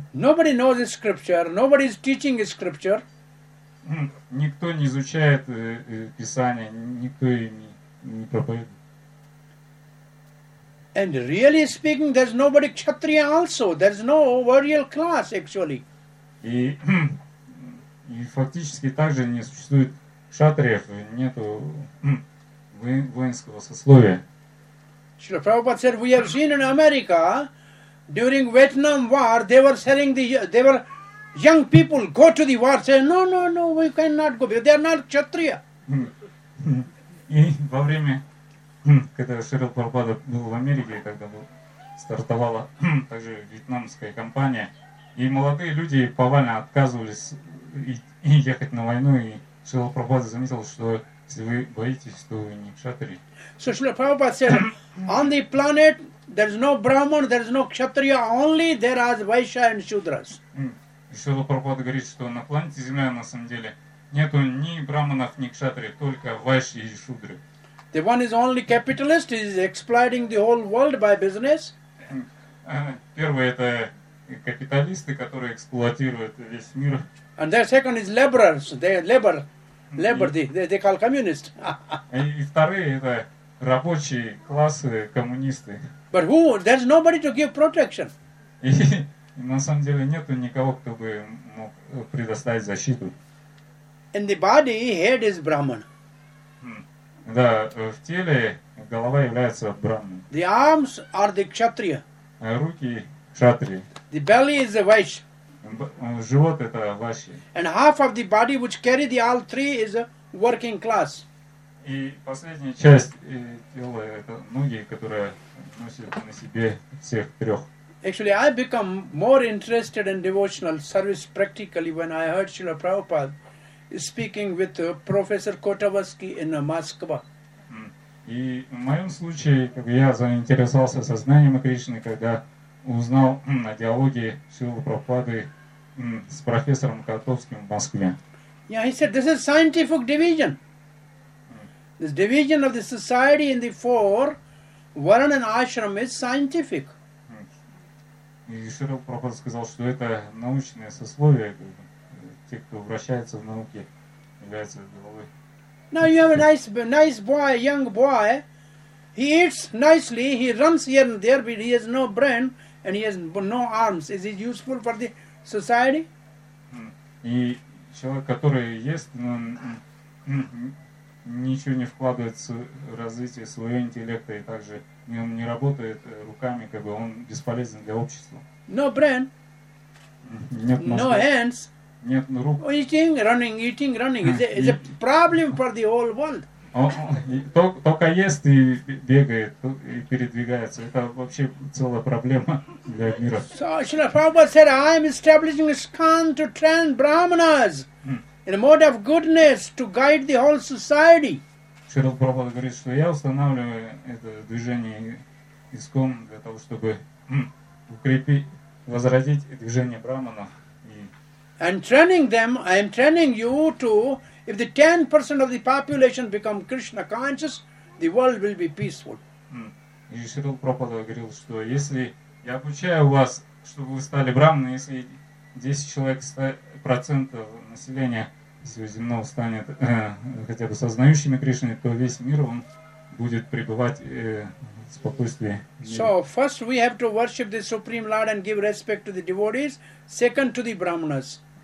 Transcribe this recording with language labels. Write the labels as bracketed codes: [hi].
[en] Nobody knows this scripture. Nobody is teaching this scripture. [ru] Никто не изучает Писание. Никто не проповедует. [en] And really speaking, there's nobody Kshatriya also. There's no royal class, actually. [ru] И фактически также не существует кшатриев, нету воинского сословия. [en] Srila Prabhupada said, we have seen in America, during Vietnam War, they were selling they were young people go to the war, say, no, we cannot go, they are not Kshatriya. [ru] И во время... Когда Шрила Прабхупада был в Америке, когда стартовала также вьетнамская кампания, и молодые люди повально отказывались ехать на войну, и Шрила Прабхупада заметил, что если вы боитесь, то вы не кшатри. [en] So Srila Prabhupada said, on the planet there is no Brahman, there is no Kshatriya, only there are Vaishya and Shudras. [ru] Шрила Прабхупада говорит, что на планете Земля на самом деле нет ни Брахманов, ни Кшатри, только Вайши и Шудры. [en] The one is only capitalist, he is exploiting the whole world by business. [ru] Первый это капиталисты, которые эксплуатируют весь мир. [en] And the second is laborers, they are labor, they call communists. [ru] И вторые это рабочие классы, коммунисты. [en] But who? There's nobody to give protection. [ru] И на самом деле нету никого, кто бы мог предоставить защиту. [en] In the body, head is Brahman. [ru] Да, в теле голова является Брахманом. [en] The arms are the Kshatriya. [ru] Руки Кшатрия. [en] The belly is the Vaishya. [ru] Живот это Vaishya. [en] And half of the body which carry the all three is a working class. [ru] И последняя часть тела это ноги, которые носят на себе всех трех. [en] Actually, I become more interested in devotional service practically when I heard Srila Prabhupada speaking with Professor Kotovsky in Moscow. [ru] И в моем случае, когда я заинтересовался сознанием Кришны, когда узнал о диалоге Шрилы Прабхупады с профессором Котовским в Москве. [en] Yeah, he said this is scientific division. This division of the society in the four varna and ashram is scientific. [ru] И Шрила Прабхупада сказал, что это научное сословие. Те, кто вращается в науке, являются головой. [en] Now you have a nice boy, young boy. He eats nicely, he runs here and there, but he has no brain and he has no arms. Is he useful for the society? [ru] И человек, который ест, но ничего не вкладывает в развитие своего интеллекта и также он не работает руками, как бы он бесполезен для общества. [en] No brain. [ru] Нет мозгов. [en] No hands. [ru] Нет рук. [en] Eating, running. It's a problem for the whole world. [ru] Только ест и бегает, и передвигается. Это вообще целая проблема для мира. [en] So Srila Prabhupada said, I am establishing ISKCON to train brahmanas in a mode of goodness to guide the whole society. [ru] Srila Prabhupada говорит, что я устанавливаю это движение ISKCON для того, чтобы укрепить, возродить движение брахманов. [en] I'm training you to If the 10% of the population become Krishna conscious, the world will be peaceful. [ru] И Шрила Прабхупада говорил, что если я обучаю вас, чтобы вы стали брахманами, если 10 человек, процентов населения всего земного станет хотя бы сознающими Кришны, то весь мир он будет пребывать в спокойствии. [en] So first we have to worship the Supreme Lord and give respect to the devotees, second to the brahmanas.